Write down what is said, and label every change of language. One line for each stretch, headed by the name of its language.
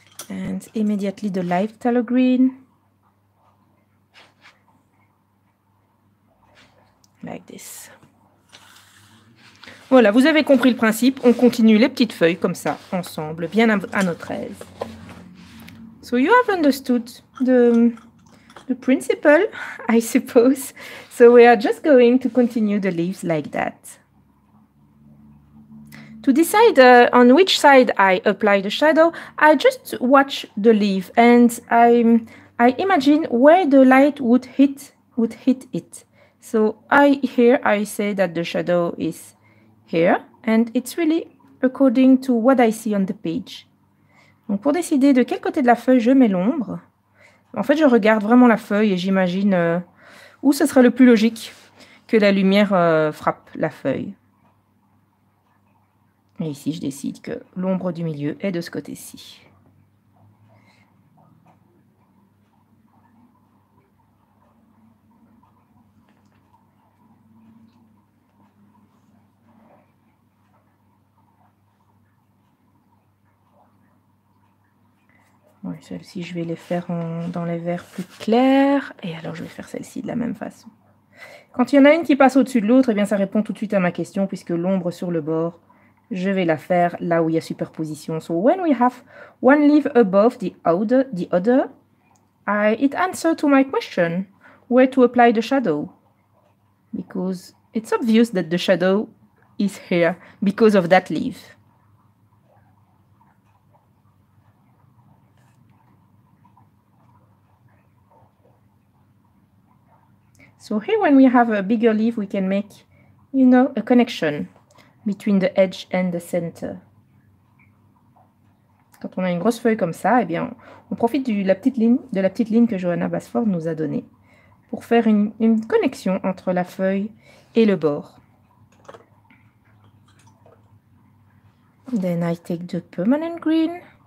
English: And immediately the light tallow green. Like this.
French: Voilà, vous avez compris le principe. On continue les petites feuilles comme ça, ensemble, bien à notre aise.
English: So you have understood the principle, I suppose. So we are just going to continue the leaves like that. To decide on which side I apply the shadow, I just watch the leaf and I imagine where the light would hit it. So I say that the shadow is here, and it's really according to what I see on the page.
French: Donc pour décider de quel côté de la feuille je mets l'ombre, en fait je regarde vraiment la feuille et j'imagine où ce serait le plus logique que la lumière frappe la feuille. Et ici je décide que l'ombre du milieu est de ce côté-ci. Oui, celle-ci, je vais les faire dans les verts plus clairs. Et alors, je vais faire celle-ci de la même façon. Quand il y en a une qui passe au-dessus de l'autre, eh bien, ça répond tout de suite à ma question, puisque l'ombre sur le bord, je vais la faire là où il y a superposition.
English: So, when we have one leaf above the other, it answers to my question, where to apply the shadow? Because it's obvious that the shadow is here because of that leaf. So here, when we have a bigger leaf, we can make, you know, a connection between the edge and the center.
French: Quand on a une grosse feuille comme ça, eh bien, on profite de la petite ligne que Johanna Basford nous a donnée pour faire une connexion entre la feuille et le bord.
English: Then I take the permanent green.